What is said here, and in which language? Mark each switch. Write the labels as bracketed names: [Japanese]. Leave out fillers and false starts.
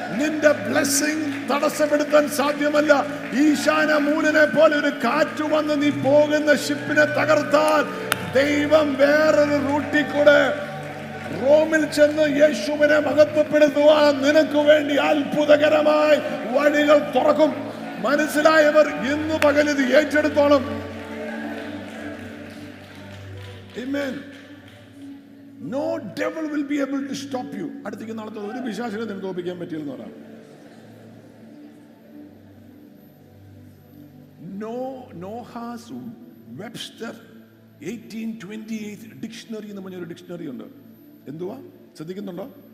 [Malayalam] നിന്റെ ബ്ലെസ്സിംഗ് തടസ്സപ്പെടുത്താൻ സാധ്യമല്ല. ഈശാന മൂലനെ പോലെ ഒരു കാറ്റ് വന്ന് നീ പോകുന്ന ഷിപ്പിനെ തകർത്താൽ ദൈവം വേറൊരു റൂട്ടിൽ കൂടെ റോമിൽ ചെന്ന് യേശുവിനെ മഹത്വപ്പെടുത്തുവാൻ നിനക്ക് വേണ്ടി അത്ഭുതകരമായി വഴികൾ തുറക്കും. മനസ്സിലായവർ ഇന്ന് പകൽ ഇത് ഏറ്റെടുത്തോളും. Amen. [English] No devil will be able to stop you. [Malayalam] അടുത്തേക്ക് നാളത്തെ ഒരു വിശ്വാസിനെ നിങ്ങൾ തോൽപ്പിക്കാൻ പറ്റില്ല എന്ന് പറയാം. നോഹാസ് വെബ്സ്റ്റർ 1828 ഡിക്ഷണറി എന്ന് പറഞ്ഞൊരു ഡിക്ഷണറി ഉണ്ട്. എന്തുവാ, ശ്രദ്ധിക്കുന്നുണ്ടോ?